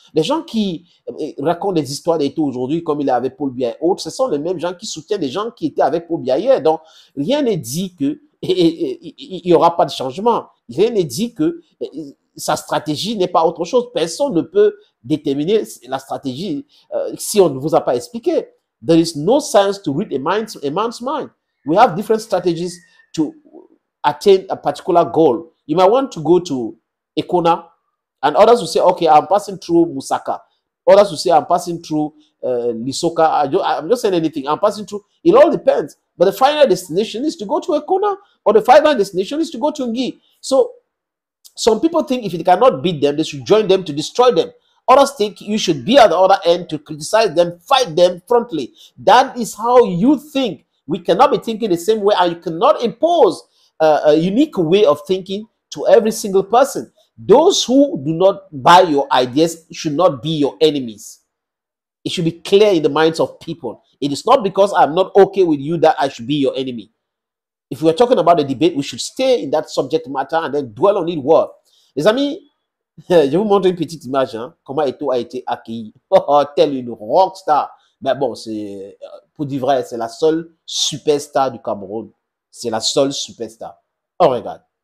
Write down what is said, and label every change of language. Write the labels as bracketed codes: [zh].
[fr] Les gens qui racontent des histoires d'été aujourd'hui, comme il est avec Paul Biya et autres, ce sont les mêmes gens qui soutiennent les gens qui étaient avec Paul Biya hier. Donc, rien n'est dit que il n'y aura pas de changement. Rien n'est dit que sa stratégie n'est pas autre chose. Personne ne peut déterminer la stratégie si on ne vous a pas expliqué. [en] There is no science to read a man's mind. We have different strategies to attain a particular goal. You might want to go to Ekona. And others will say, okay, I'm passing through Musaka. Others will say, I'm passing through Lisoka. I'm not saying anything. I'm passing through. It all depends. But the final destination is to go to Ekona, or the final destination is to go to Ngie. So some people think if you cannot beat them, they should join them to destroy them. Others think you should be at the other end to criticize them, fight them frontally. That is how you think. We cannot be thinking the same way, and you cannot impose a unique way of thinking to every single person. Those who do not buy your ideas should not be your enemies. It should be clear in the minds of people. It is not because I'm not okay with you that I should be your enemy. If we are talking about a debate, we should stay in that subject matter and then dwell on it. What? [fr] Les amis, je vous montre une petite image, hein, comment Eto a été accueilli. Tel une rock star. Mais bon, c'est, pour dire vrai, c'est la seule superstar du Cameroun. C'est la seule superstar. Oh, regarde.